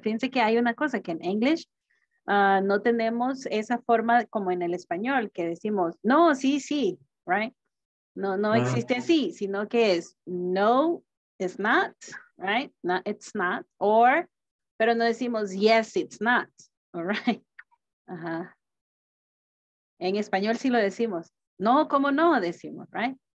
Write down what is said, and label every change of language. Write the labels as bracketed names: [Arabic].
[Spanish] Fíjense que hay una cosa que en English no tenemos esa forma como en el español que decimos, no, sí, sí, right? No, no existe así, sino que es, no, [English] it's not, right? No, it's not, or, [Spanish] pero no decimos, [English] yes, it's not, all right? Uh-huh. [Spanish] En español sí lo decimos, no, como no, decimos, right?